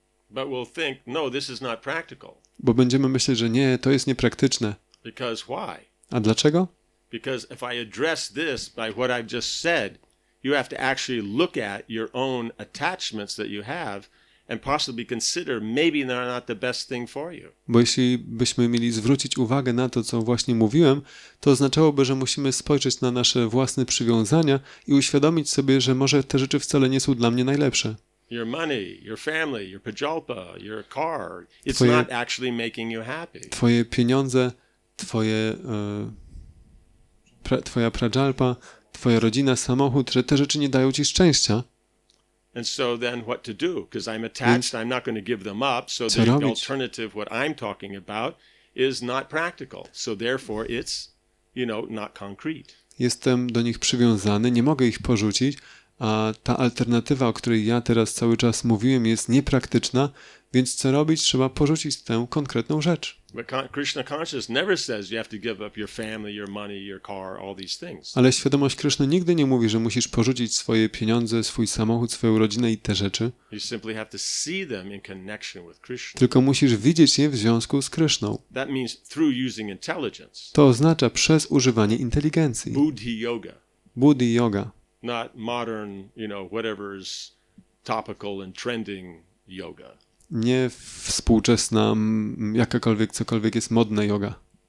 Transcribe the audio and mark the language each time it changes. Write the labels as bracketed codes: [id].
[en] But we'll think, no, this is not practical. [pl] Bo będziemy myśleć, że nie, to jest niepraktyczne. [en] Because why? [pl] A dlaczego? [en] Because if I address this by what I've just said, you have to actually look at your own attachments that you have and possibly consider maybe they're not the best thing for you. [pl] Bo jeśli byśmy mieli zwrócić uwagę na to, co właśnie mówiłem, to oznaczałoby, że musimy spojrzeć na nasze własne przywiązania i uświadomić sobie, że może te rzeczy wcale nie są dla mnie najlepsze. [en] Your money, your family, your pajalpa, your car, it's [pl] twoje, [en] not actually making you happy. [pl] Twoje pieniądze, twoje twoja prajalpa, twoja rodzina, samochód, że te rzeczy nie dają ci szczęścia. [en] And so then what to do? Because I'm attached, I'm not going to give them up, so the alternative what I'm talking about is not practical. So therefore it's, you know, not concrete. [pl] Jestem do nich przywiązany, nie mogę ich porzucić, a ta alternatywa, o której ja teraz cały czas mówiłem, jest niepraktyczna, więc co robić? Trzeba porzucić tę konkretną rzecz. [en] But Krishna consciousness never says you have to give up your family, your money, your car, all these things. [pl] Ale świadomość Krishna nigdy nie mówi, że musisz porzucić swoje pieniądze, swój samochód, swoją rodzinę i te rzeczy. [en] You simply have to see them in connection with Krishna. [pl] Tylko musisz widzieć je w związku z Krishną. [en] That means through using intelligence. [pl] To oznacza przez używanie inteligencji. [en] Buddhi yoga. [pl] Buddhi yoga. [en] Not modern, you know, whatever is topical and trending yoga. [pl] Nie współczesna, jakakolwiek, cokolwiek jest modna yoga.